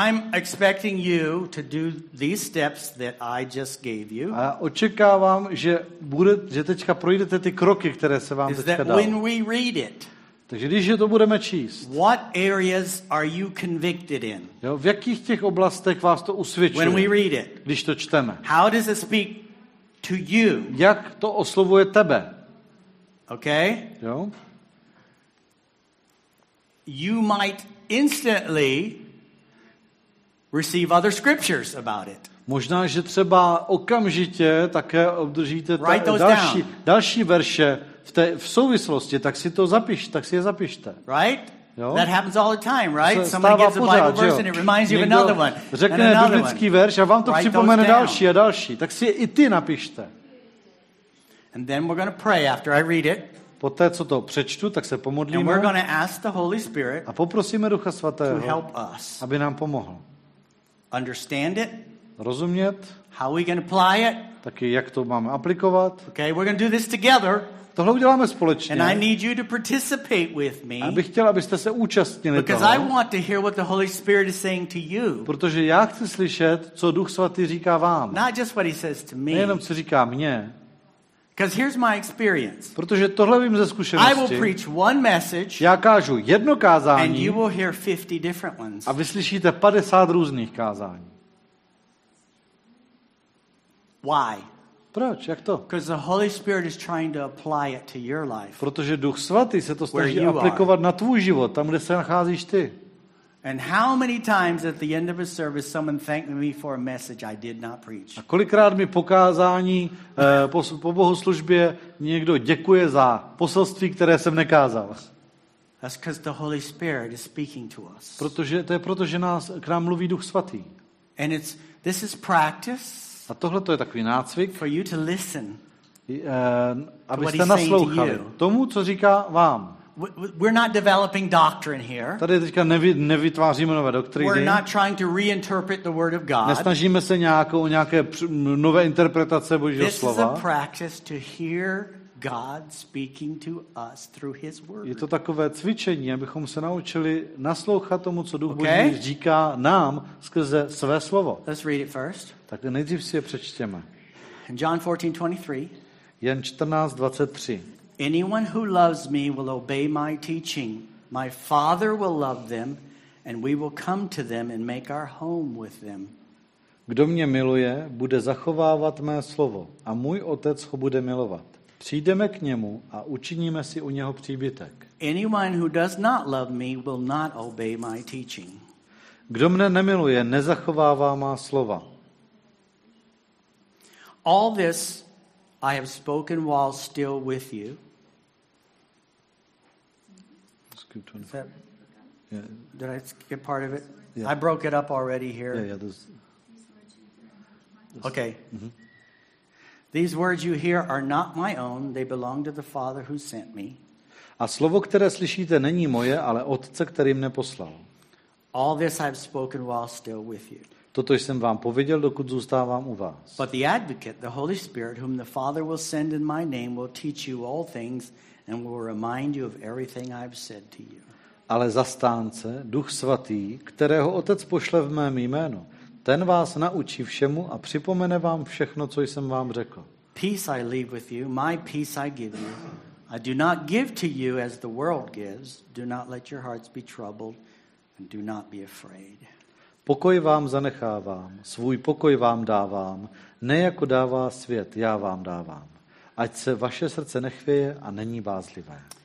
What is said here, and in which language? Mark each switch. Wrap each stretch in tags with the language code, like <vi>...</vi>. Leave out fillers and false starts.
<en>I'm expecting you to do these steps that I just gave you.</en> <cs>A očekávám, že bude, že teďka projdete ty kroky, které se vám</cs> <en>is</en> <cs>teďka dal.</cs> <en>When we read it,</en> <cs>takže když je to budeme číst.</cs> <en>What areas are you convicted in?</en> <cs>Jo, v jakých těch oblastech vás to usvědčuje?</cs> <en>When we read it,</en> <cs>když to čteme.</cs> <en>How does it speak to you?</en> <cs>Jak to oslovuje tebe?</cs> <en>Okay.</en> <cs>Jo.</cs> <en>You might instantly receive other scriptures about it.</en> <cs>Možná, že třeba okamžitě také obdržíte další verše v souvislosti, tak si to zapiš, tak si je zapište.</cs> <en>Right?</en> <cs>Jo.</cs> <en>That happens all the time, right? Somebody gives a Bible verse and it reminds you of another one.</en> <cs>Řekne biblický verš a vám to připomene další a další, tak si je i ty napište.</cs> <en>And then we're going to pray after I read it.</en> <cs>Poté, co to přečtu, tak se pomodlíme.</cs> <en>And we're going to ask the Holy Spirit</en> <cs>a poprosíme Ducha Svatého,</cs> <en>to help us,</en> <cs>aby nám pomohl.</cs> <en>Understand it?</en> <cs>Rozumět?</cs> <en>How we can apply it?</en> <cs>Taky jak to máme aplikovat?</cs> <en>Okay, we're going to do this together.</en> <cs>Tohle uděláme společně.</cs> <en>And I need you to participate with me.</en> <cs>Abych chtěl, abyste se účastnili toho.</cs> <en>Because I want to hear what the Holy Spirit is saying to you.</en> <cs>Protože já chci slyšet, co Duch Svatý říká vám.</cs> <en>Not just what he says to me.</en> <cs>Nejenom, co říká mně.</cs> <en>Because here's my experience.</en> <cs>Protože tohle vím ze zkušenosti.</cs> <en>I will preach one message.</en> <cs>Já kážu jedno kázání.</cs> <en>And you will hear 50 different ones.</en> <cs>A vyslyšíte 50 různých kázání.</cs> <en>Why?</en> <cs>Proč? Jak to?</cs> <en>Because the Holy Spirit is trying to apply it to your life.</en> <cs>Protože Duch Svatý se to snaží aplikovat na tvůj život, tam kde se nacházíš ty.</cs> <en>And how many times at the end of a service someone thanked me for a message I did not preach?</en> <cs>A kolikrát mi po kázání po bohoslužbě někdo děkuje za poselství, které jsem nekázal?</cs> <en>That's because the Holy Spirit is speaking to us.</en> <cs>Protože to je proto, že nás k nám mluví Duch Svatý.</cs> <en>And it's this is practice.</en> <cs>A tohle to je takový nácvik.</cs> <en>For you to listen.</en> <cs>Abyste naslouchali tomu, co říká vám.</cs> <en>We're not developing doctrine here.</en> <cs>Tady teďka nevytváříme nové doktriny.</cs> <en>We're not trying to reinterpret the word of God.</en> <cs>Nesnažíme se nějaké nové interpretace Božího slova.</cs> <en>This is a practice to hear God speaking to us through his word.</en> <cs>Je to takové cvičení, abychom se naučili naslouchat tomu, co Duch Boží říká nám skrze své slovo.</cs> <en>Let's read it first.</en> <cs>Tak nejdřív si je přečtěme.</cs> <en>In John 14:23.</en> <cs>Jan 14:23.</cs> <en>Anyone who loves me will obey my teaching. My Father will love them, and we will come to them and make our home with them.</en> <cs>Kdo mě miluje, bude zachovávat mé slovo, a můj Otec ho bude milovat. Přijdeme k němu a učiníme si u něho příbytek.</cs> <en>Anyone who does not love me will not obey my teaching.</en> <cs>Kdo mne nemiluje, nezachovává má slova.</cs> <en>All this I have spoken while still with you. Skip 24. Did I skip part of it? Yeah. I broke it up already here. Yeah, this. Okay. Mm-hmm. These words you hear are not my own. They belong to the Father who sent me.</en> <cs>A slovo, které slyšíte, není moje, ale Otce, který mne poslal.</cs> <en>All this I have spoken while still with you.</en> <cs>Toto jsem vám pověděl, dokud zůstávám u vás.</cs> <en>But the advocate, the Holy Spirit, whom the Father will send in my name, will teach you all things and will remind you of everything I've said to you.</en> <cs>Ale zastánce, Duch Svatý, kterého Otec pošle v mém jménu, ten vás naučí všemu a připomene vám všechno, co jsem vám řekl.</cs> <en>Peace I leave with you, my peace I give you. I do not give to you as the world gives. Do not let your hearts be troubled and do not be afraid.</en> <cs>Pokoj vám zanechávám, svůj pokoj vám dávám, ne jako dává svět, já vám dávám. Ať se vaše srdce nechvěje a není bázlivé.</cs>